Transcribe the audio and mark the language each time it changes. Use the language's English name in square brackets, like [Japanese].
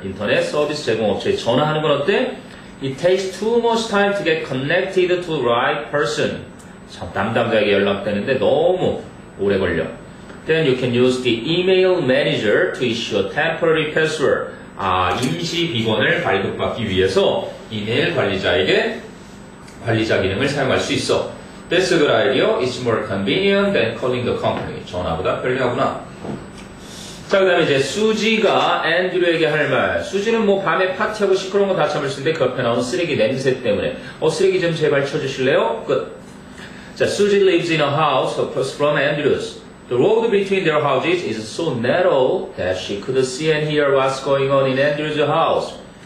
[Korean] 인터넷 서비스 제공업체에 전화하는 건 어때? [English] It takes too much time to get connected to the right person. [Korean] 참 담당자에게 연락되는데 너무 오래 걸려. [English] Then you can use the email manager to issue a temporary password. [Korean] 아, 임시 비번을 발급받기 위해서 이메일 관리자에게 관리자 기능을 사용할 수 있어. [English] That's a good idea. It's more convenient than calling the company. [Korean] 전화보다 편리하구나. 자, 그 다음에 이제 수지가 앤드류에게 할 말. 수지는 뭐 밤에 파티하고 시끄러운 거 다 참을 수 있는데 그 옆에 나온 쓰레기 냄새 때문에. 쓰레기 좀 제발 쳐주실래요? [English] 끝. 자, Suji lives in a house across from Andrew's. The road between their houses is so narrow that she could see and hear what's going on in Andrew's house.